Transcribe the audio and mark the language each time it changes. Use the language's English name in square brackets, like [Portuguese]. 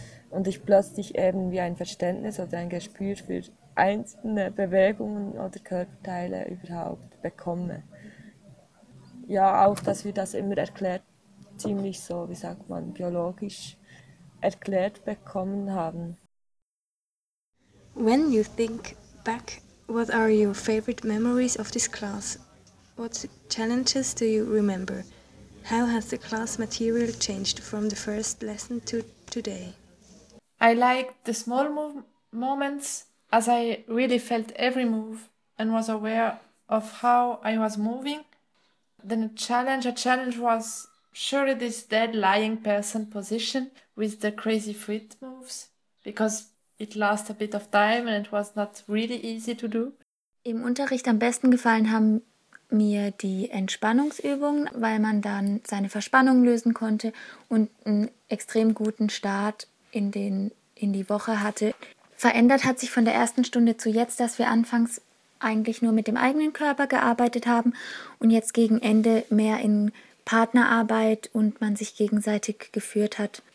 [German] Und ich plötzlich eben wie ein Verständnis oder ein Gespür für einzelne Bewegungen oder Körperteile überhaupt bekomme. Ja, auch, dass wir das immer erklärt, ziemlich so, wie sagt man, biologisch erklärt bekommen haben. [English] When you think back, what are your favorite memories of this class? What challenges do you remember? How has the class material changed from the first lesson to today? I liked the small moments, as I really felt every move and was aware of how I was moving. Then a challenge was surely this dead lying person position with the crazy foot moves, because it lost a bit of time and it was not really easy to do. [German] Im Unterricht am besten gefallen haben mir die Entspannungsübungen, weil man dann seine Verspannung lösen konnte und einen extrem guten Start in die Woche hatte. Verändert hat sich von der ersten Stunde zu jetzt, dass wir anfangs eigentlich nur mit dem eigenen Körper gearbeitet haben und jetzt gegen Ende mehr in Partnerarbeit und man sich gegenseitig geführt hat.